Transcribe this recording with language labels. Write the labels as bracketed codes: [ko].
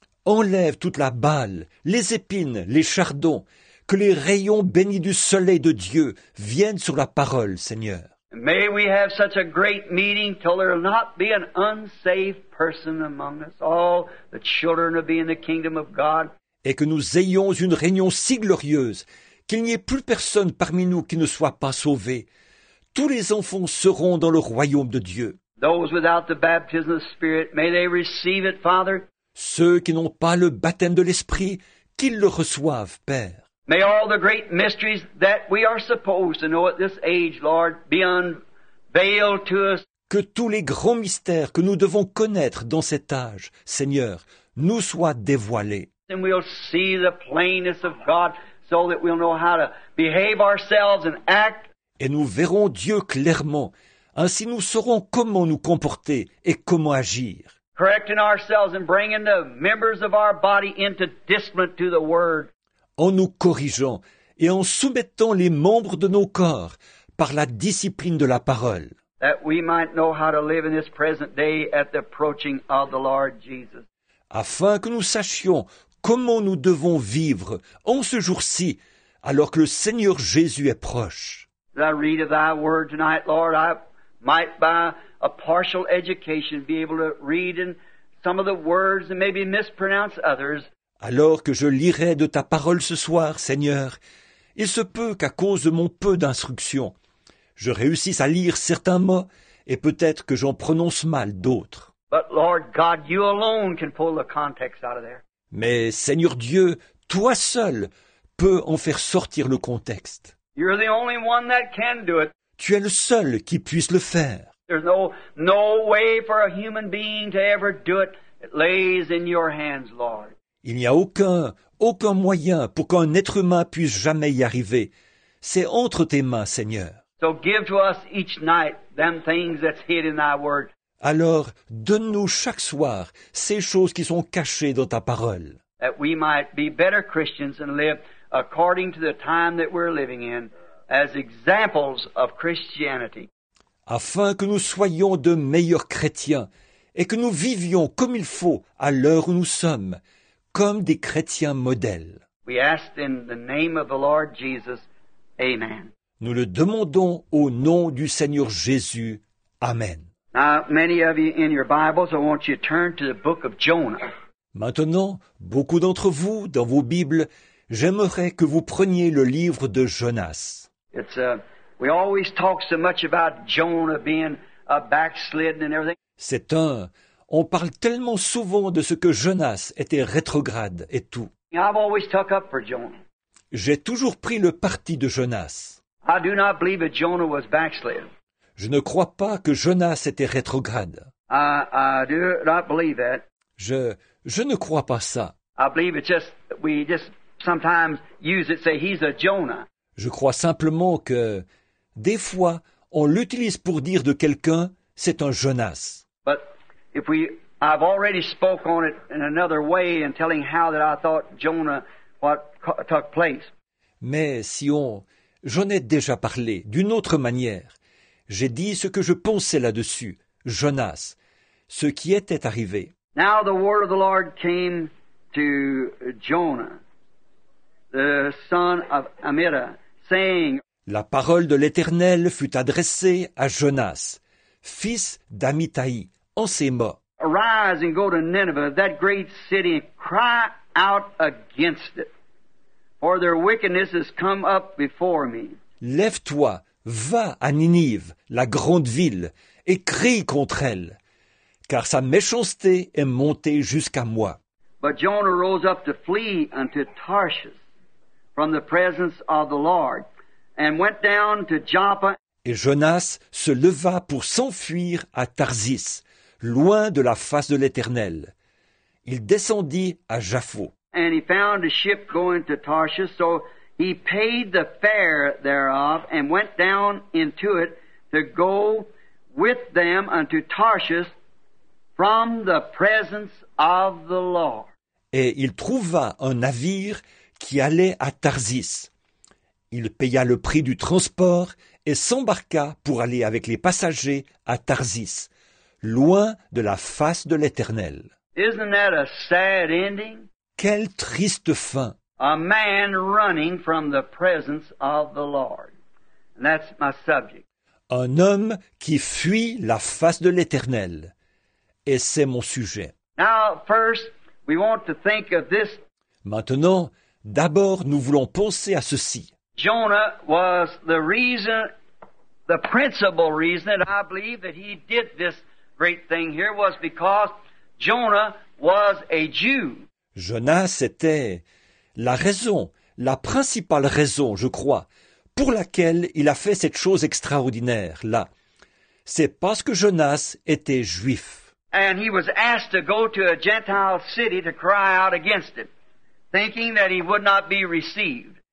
[fr] Enlève toute la balle, les épines, les chardons. Que les rayons bénis du soleil de Dieu viennent sur la parole, Seigneur. [en] May we have such a great meeting till there will not be an unsaved person among us. All the children will be in the kingdom of God. [fr] Et que nous ayons une réunion si glorieuse qu'il n'y ait plus personne parmi nous qui ne soit pas sauvé. Tous les enfants seront dans le royaume de Dieu. [en] Those without the baptism of the Spirit, may they receive it, Father. [fr] Ceux qui n'ont pas le baptême de l'Esprit, qu'ils le reçoivent, Père. [en] May all the great mysteries that we are supposed to know at this age, Lord, be unveiled to us. [fr] Que tous les grands mystères que nous devons connaître dans cet âge, Seigneur, nous soient dévoilés. [en] And we'll see the plainness of God so that we'll know how to behave ourselves and act. [fr] Et nous verrons Dieu clairement. Ainsi nous saurons comment nous comporter et comment agir. [en] Correcting ourselves and bringing the members of our body into discipline to the Word. [fr] En nous corrigeant et en soumettant les membres de nos corps par la discipline de la parole. [en] That we might know how to live in this present day at the approaching of the Lord Jesus. [fr] Afin que nous sachions comment nous devons vivre en ce jour-ci, alors que le Seigneur Jésus est proche. [en] As I read of thy word tonight, Lord, I might by a partial education be able to read in some of the words and maybe mispronounce others. [fr] Alors que je lirai de ta parole ce soir, Seigneur, il se peut qu'à cause de mon peu d'instruction, je réussisse à lire certains mots et peut-être que j'en prononce mal d'autres. [en] But Lord God, you alone can pull the context out of there. [fr] Mais Seigneur Dieu, toi seul peux en faire sortir le contexte. [en] You're the only one that can do it. [fr] Tu es le seul qui puisse le faire. [en] There's no way for a human being to ever do it. It lays in your hands, Lord. [fr] Il n'y a aucun moyen pour qu'un être humain puisse jamais y arriver. C'est entre tes mains, Seigneur. [en] So give to us each night them things that's hid in thy word. [fr] Alors, donne-nous chaque soir ces choses qui sont cachées dans ta parole. [en] That we might be better Christians and live according to the time that we're living in as examples of Christianity. [fr] Afin que nous soyons de meilleurs chrétiens et que nous vivions comme il faut à l'heure où nous sommes, comme des chrétiens modèles. [en] We ask in the name of the Lord Jesus, amen. [fr] Nous le demandons au nom du Seigneur Jésus. Amen. [en] Now, many of you in your Bibles, I want you to turn to the book of Jonah. [fr] Maintenant, beaucoup d'entre vous, dans vos Bibles, j'aimerais que vous preniez le livre de Jonas. [en] We always talk so much about Jonah being a backslidden and everything. [fr] On parle tellement souvent de ce que Jonas était rétrograde et tout. [en] I've always stuck up for Jonah. [fr] J'ai toujours pris le parti de Jonas. [en] I do not believe that Jonah was backslidden. [fr] Je ne crois pas que Jonas était rétrograde. [en] I do not believe that. [fr] Je ne crois pas ça. [en] I believe it's just we just sometimes use it say he's a Jonah. [fr] Je crois simplement que des fois on l'utilise pour dire de quelqu'un c'est un Jonas. [en] But I've already spoke on it in another way in telling how that I thought Jonah what took place. [fr] Mais j'en ai déjà parlé d'une autre manière. J'ai dit ce que je pensais là-dessus, Jonas, ce qui était arrivé. [en] Now the word of the Lord came to Jonah, the son of Amittai, saying. [fr] La parole de l'Éternel fut adressée à Jonas, fils d'Amittai, en ces mots. [en] Arise and go to Nineveh, that great city, and cry out against it, for their wickedness has come up before me. [fr] Lève-toi. Va à Ninive, la grande ville, et crie contre elle, car sa méchanceté est montée jusqu'à moi. [en] But Jonah rose up to flee unto Tarshish from the presence of the Lord, and went down to Joppa. [fr] Et Jonas se leva pour s'enfuir à Tarsis, loin de la face de l'Éternel. Il descendit à Jaffo. [en] And he found a ship going to Tarshish, so he paid the fare thereof and went down into it to go with them unto Tarshish from the presence of the Lord. [fr] Et il trouva un navire qui allait à Tarsis. Il paya le prix du transport et s'embarqua pour aller avec les passagers à Tarsis, loin de la face de l'Éternel. [en] Isn't that a sad ending? [fr] Quelle triste fin! [en] A man running from the presence of the Lord. And that's my subject. [fr] Un homme qui fuit la face de l'Éternel. Et c'est mon sujet. [en] Now, first, we want to think of this. [fr] Maintenant, d'abord, nous voulons penser à ceci. [en] Jonah was the reason, the principal reason that I believe that he did this great thing here was because Jonah was a Jew. [fr] Jonas était la principale raison, je crois, pour laquelle il a fait cette chose extraordinaire là, c'est parce que Jonas était juif. [en] And he was asked to go to a Gentile city to cry out against it, thinking that he would not be received.